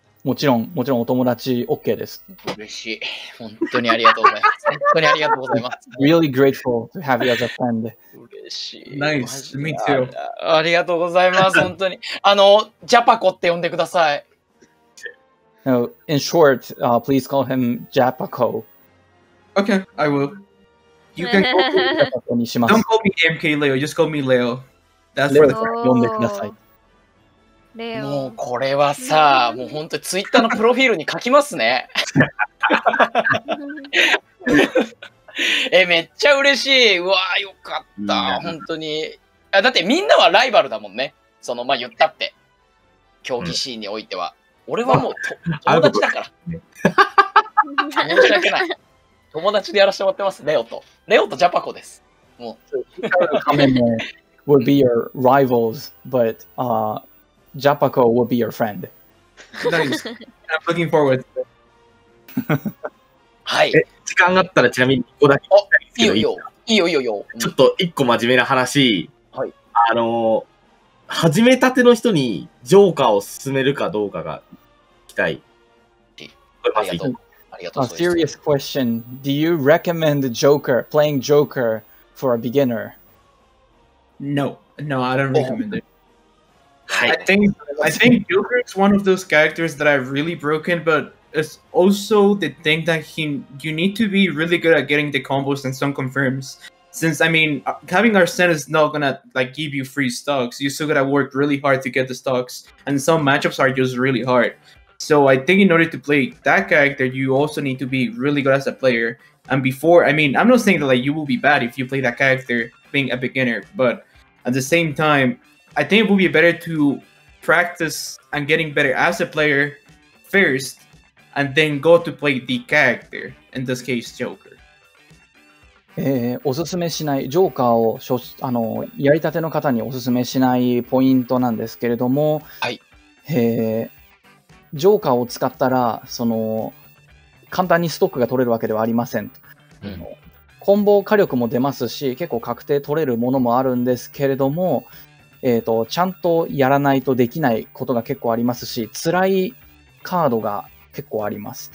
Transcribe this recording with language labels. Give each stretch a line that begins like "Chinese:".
Japanese: もちろんお友達 OK です。嬉しい。本当にありがとうございます。本当にありがとうございます。
English: Really grateful to have you as a friend.
Japanese: 嬉しい。
English: Nice. Me too.
Japanese: ありがとうございます。本当に。ジャパコって呼んでください。
English: No, in short,、please call him Japaco. Okay, I will. You can call me
Japanese: Japaco にします。
English: Don't call me MK Leo, just call me Leo. That's
Japanese: Leo. Leo. 呼んでください。もうこれはさ、もう本当にツイッターのプロフィールに書きますね。え、めっちゃ嬉しい。うわー、よかった。本当に。あ、だってみんなはライバルだもんね。その、まあ言ったって。競技シーンにおいては。うん、俺はもう友達だから。申し訳ない。友達でやらせてもらってます、レオと。レオとジャパコです。もう。
English: メモ would be your rivals, but, Japaco will be your friend. Nice. I'm looking forward.
Japanese: はい。時間があったらちなみに1個だけ。あ、いいよいいよ。いいよいいよ。ちょっと1個真面目な話。はい。始めたての人にジョーカーを勧めるかどうかが聞きたい。これまず1個。ありがとう。
English: A serious question. Do you recommend Joker, playing Joker for a beginner? No. No, I don't recommend it. I think Joker is one of those characters that I've really broken, but it's also the thing that you need to be really good at getting the combos and some confirms. Since, I mean, having Arsene is not gonna like give you free stocks. You still gotta work really hard to get the stocks, and some matchups are just really hard. So I think in order to play that character, you also need to be really good as a player. And before, I mean, I'm not saying that like you will be bad if you play that character being a beginner, but at the same time,I think it would be better to practice and getting better as a player first and then go to play the character, in this case, Joker.
Japanese: おすすめしない、ジョーカーをやりたての方におすすめしないポイントなんですけれども、はい。ジョーカーを使ったら、その、簡単にストックが取れるわけではありません、うん、コンボ火力も出ますし結構確定取れるものもあるんですけれども、ちゃんとやらないとできないことが結構ありますし辛いカードが結構あります。